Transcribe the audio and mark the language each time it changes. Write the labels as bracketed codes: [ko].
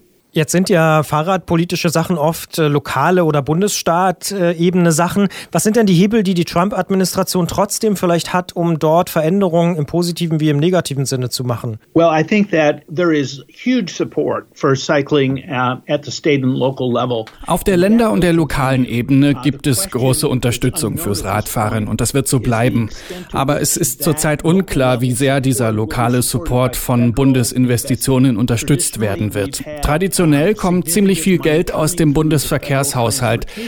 [de] Jetzt sind ja fahrradpolitische Sachen oft lokale oder Bundesstaat-Ebene Sachen. Was sind denn die Hebel, die die Trump-Administration trotzdem vielleicht hat, um dort Veränderungen im positiven wie im negativen Sinne zu machen? [en] Well, I think that there is huge support for cycling at the state and local level. [de] Auf der Länder- und der lokalen Ebene gibt es große Unterstützung fürs Radfahren und das wird so bleiben. Aber es ist zurzeit unklar, wie sehr dieser lokale Support von Bundesinvestitionen unterstützt werden wird. Traditionell kommt ziemlich viel Geld aus dem Bundesverkehrshaushalt.